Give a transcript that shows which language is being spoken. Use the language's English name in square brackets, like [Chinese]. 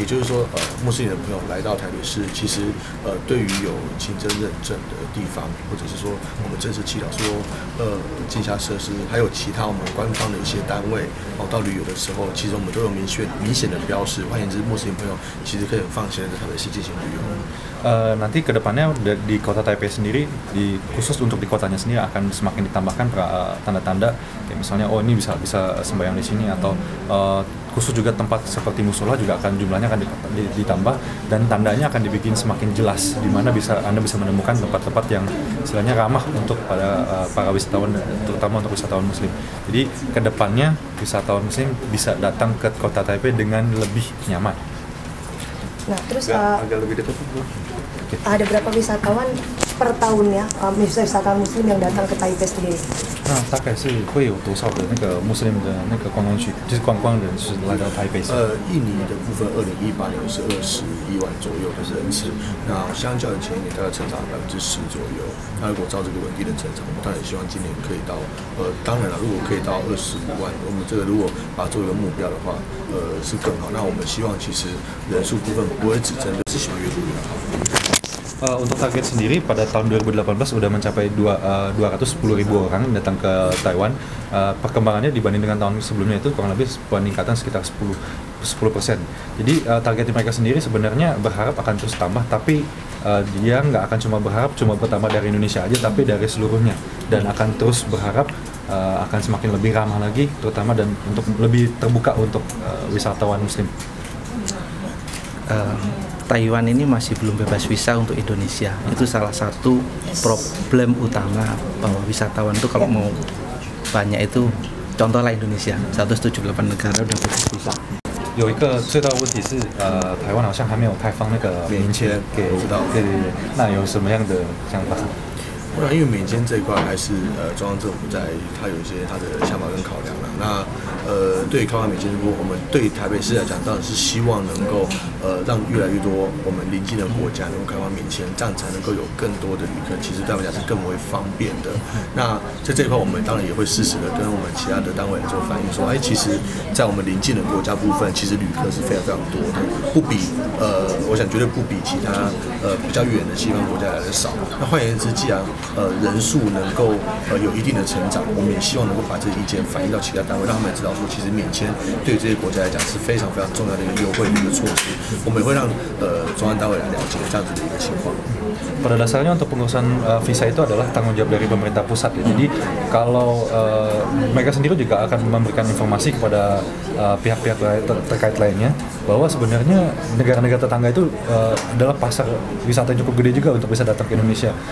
[Chinese] 也就是说穆斯林的朋友来到台北市，其实对于有清真认证的地方，或者是说我们正式祈祷说净化设施，还有其他我们官方的一些单位，到旅游的时候，其实我们都有明显的标示。换言之，穆斯林朋友其实可以很放心的在台北市进行旅游。 [Indonesian] Nanti ke depannya di kota Taipei sendiri, khusus untuk di kotanya sendiri akan semakin ditambahkan tanda-tanda, kayak misalnya oh ini bisa sembahyang di sini, atau khusus juga tempat seperti musola juga akan jumlahnya akan ditambah, dan tandanya akan dibikin semakin jelas di mana anda bisa menemukan tempat-tempat yang istilahnya ramah untuk pada para wisatawan, terutama untuk wisatawan Muslim. Jadi ke depannya wisatawan Muslim bisa datang ke kota Taipei dengan lebih nyaman. Nah, terus agak lebih dekat. Ada berapa wisatawan per tahun ya, wisatawan Muslim yang datang ke Taipei sendiri? [Chinese] 那大概是会有多少的那个穆斯林的那个观光区，就是观光人是来到台北？印尼的部分，2018年是21万左右的人次，那相较于前一年大概成长10%左右。那如果照这个稳定的成长，我们当然希望今年可以到当然了，如果可以到25万，我们这个如果把它作为一个目标的话，是更好。那我们希望其实人数部分不会只针对是喜欢阅读的。 [Indonesian] Untuk target sendiri pada tahun 2018 sudah mencapai 210.000 orang datang ke Taiwan. Perkembangannya dibanding dengan tahun sebelumnya itu kurang lebih peningkatan sekitar 10%. Jadi target mereka sendiri sebenarnya berharap akan terus tambah, tapi dia nggak akan cuma berharap cuma bertambah dari Indonesia aja, tapi dari seluruhnya, dan akan terus berharap akan semakin lebih ramah lagi, terutama dan untuk lebih terbuka untuk wisatawan Muslim. Taiwan ini masih belum bebas visa untuk Indonesia. Itu salah satu problem utama bahwa wisatawan itu kalau mau banyak itu, contohlah Indonesia, 178 negara udah bebas visa. [Chinese] 有一个最大的问题是，台湾好像还没有开放那个免签给，对对对，那有什么样的想法？不然，因为免签这一块还是中央政府在，他有一些他的想法跟考量了。那对开放免签，如果我们对台北市来讲，当然是希望能够让越来越多我们邻近的国家能够开放免签，这样才能够有更多的旅客，其实对我们讲是更为方便的。那在这一块，我们当然也会适时的跟我们其他的单位来做反映，说，哎，其实，在我们邻近的国家部分，其实旅客是非常非常多的，不比我想绝对不比其他比较远的西方国家来的少。那换言之，既然人数能够有一定的成长，我们也希望能够把这意见反映到其他单位，让他们知道说，其实免签对这些国家来讲是非常非常重要的一个优惠的一个措施。我们也会让中央单位来了解这样子的一个情况。 [Indonesian] Pada dasarnya untuk pengurusan visa itu adalah tanggung jawab dari pemerintah pusat ya. Jadi kalau mereka sendiri juga akan memberikan informasi kepada pihak-pihak terkait lainnya bahwa sebenarnya negara-negara tetangga itu adalah pasar wisata cukup gede juga untuk bisa datang ke Indonesia.